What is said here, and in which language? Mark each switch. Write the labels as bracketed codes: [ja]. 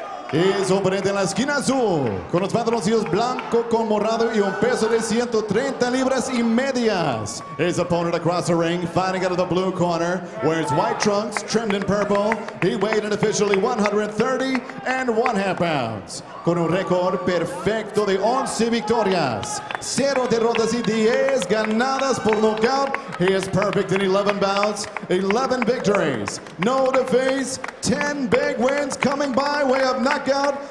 [es] Es oponente en la esquina azul, con los pantaloncillos blanco con morado y un peso de 130 libras y medias. [en] His opponent across the ring, fighting out of the blue corner, wears white trunks trimmed in purple. He weighed an officially 130 and 1/2 pounds. [es] Con un récord perfecto de 11 victorias, 0 derrotas y 10 ganadas por nocaut. [en] He is perfect in 11 bouts, 11 victories, no defeats, 10 big wins coming by way of knockout.